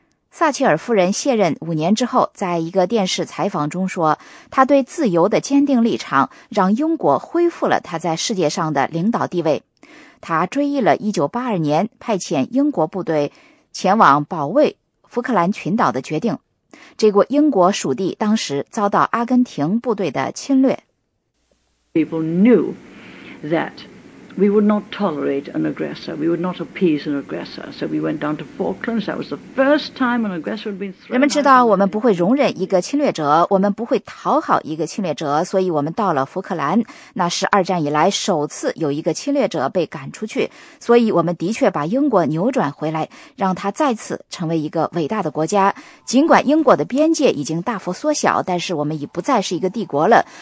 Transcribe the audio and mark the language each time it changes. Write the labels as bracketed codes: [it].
[zh] 撒切尔夫人卸任五年之后，在一个电视采访中说，她对自由的坚定立场让英国恢复了她在世界上的领导地位。她追忆了1982年派遣英国部队前往保卫福克兰群岛的决定，这个英国属地当时遭到阿根廷部队的侵略。 [en] People knew that we would not tolerate an aggressor. We would not appease an aggressor. So we went down to Falklands. That was the first time an aggressor had been thrown. [zh] 人们知道我们不会容忍一个侵略者，我们不会讨好一个侵略者，所以我们到了福克兰。那是二战以来首次有一个侵略者被赶出去，所以我们的确把英国扭转回来，让它再次成为一个伟大的国家。尽管英国的边界已经大幅缩小，但是我们已不再是一个帝国了。